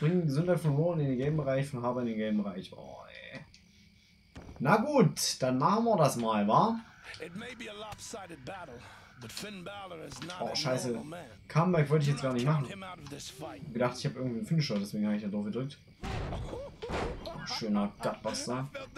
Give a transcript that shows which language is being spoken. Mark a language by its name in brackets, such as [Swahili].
[German] Bringen Gesundheit von Rowan in den Game-Bereich, von Harper in den Game-Bereich. Oh, ey. Na gut, dann machen wir das mal, wa? [English] It may be a lopsided battle, but Finn Balor is not [German] oh, scheiße. Comeback wollte ich jetzt gar nicht machen. Ich dachte, ich habe irgendwie einen Finisher, deswegen habe ich da drauf gedrückt. Oh, schöner Gutbuster.